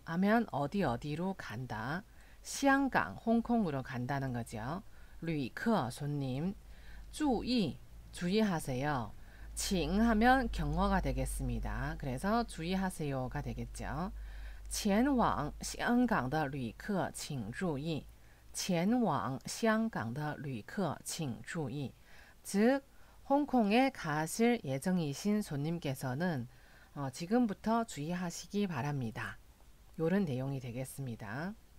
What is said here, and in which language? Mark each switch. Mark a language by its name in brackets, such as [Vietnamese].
[Korean] 前往 하면 어디 어디로 간다. 香港 홍콩으로 간다는 거죠. 旅客 손님. 注意 주의하세요. 请 하면 경어가 되겠습니다. 그래서 주의하세요가 되겠죠. [Chinese] 前往香港的旅客请注意. 前往香港的旅客请注意. [Korean] 즉, 홍콩에 가실 예정이신 손님께서는 지금부터 주의하시기 바랍니다. 요런 내용이 되겠습니다.